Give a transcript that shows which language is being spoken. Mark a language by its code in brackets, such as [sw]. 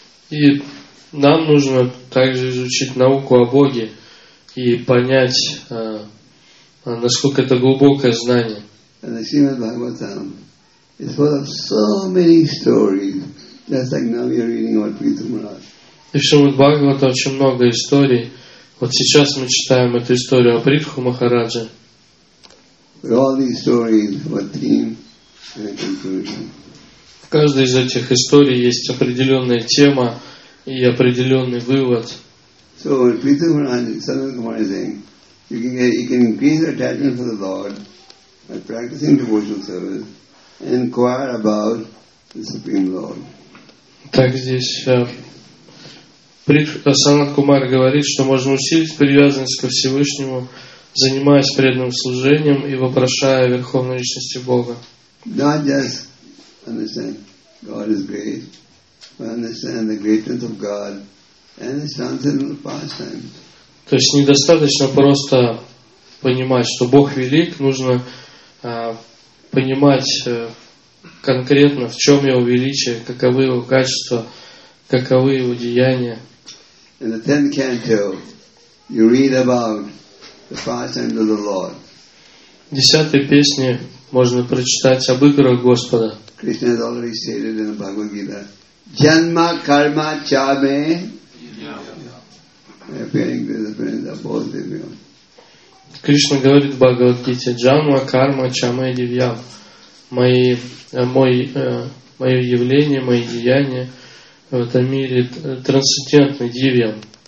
[ru] И нам нужно также изучить науку о Боге и понять, насколько это глубокое знание. [en] It's full of so many stories, just like now you're reading about Prithu Maharaj. [ru] И в Шримад Бхагаватам очень много историй. Вот сейчас мы читаем эту историю о Притху Махарадже. [en] With all these stories, what theme and conclusion? [ru] В каждой из этих историй есть определенная тема и определенный вывод. [en] So Prithu Maharaj, Sanatana Kumara is saying, you can increase your attachment for the Lord by practicing devotional service. Inquire about the Supreme Lord. [ru] Так здесь Санат Кумар говорит, что можно усилить привязанность ко Всевышнему, занимаясь преданным служением и вопрошая о Верховной Личности Бога. [en] Not just understand God is great, but understand the greatness of God and His transcendental pastimes. [ru] То есть недостаточно просто понимать, что Бог велик, нужно понимать конкретно, в чем его величие, каковы его качества, каковы его деяния. [en] In the tenth canto, you read about the pastimes of the Lord. [ru] В десятой песне можно прочитать об играх Господа. [en] Krishna has already stated in the Bhagavad Gita, [sa] "Janma karma chame." [en] Appearing to the friends of both of you. [ru] Кришна говорит в Бхагавад Гите, [sa] "Janma karma chame divyam." [ru] Мое явление, мои деяния в этом мире трансцендентны, дивьям.